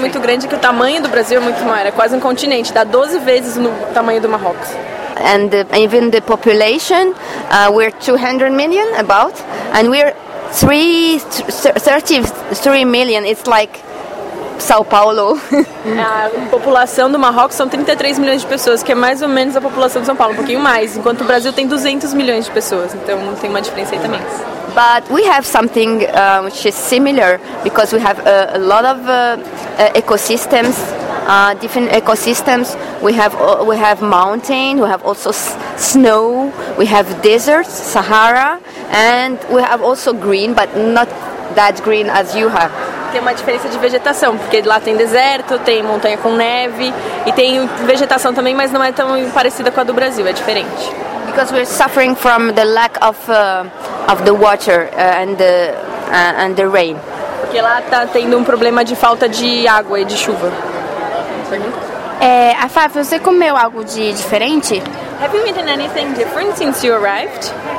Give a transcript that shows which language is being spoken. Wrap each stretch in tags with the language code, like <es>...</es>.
<pt>Muito grande que o tamanho do Brasil é muito maior, é quase um continente, dá 12 vezes o tamanho do Marrocos.</pt> <en>And even the population, we're 200 million about, and we're 33 million, it's like São Paulo.</en> <pt>A população do Marrocos são 33 milhões de pessoas, que é mais ou menos a população de São Paulo, um pouquinho mais, enquanto o Brasil tem 200 milhões de pessoas, então tem uma diferença aí também.</pt> <en>But we have something which is similar, because we have a lot of ecosystems, different ecosystems. We have mountains, we have also snow, we have deserts, Sahara, and we have also green, but not that green as you have.</en> <pt>Tem uma diferença de vegetação, porque lá tem deserto, tem montanha com neve, e tem vegetação também, mas não é tão parecida com a do Brasil, é diferente.</pt> <en>Because we're suffering from the lack of the water and the rain.</en> <pt>Porque lá tá tendo problema de falta de água e de chuva. Afaf, você comeu algo de diferente?</pt> <en>Have you eaten anything different since you arrived?</en>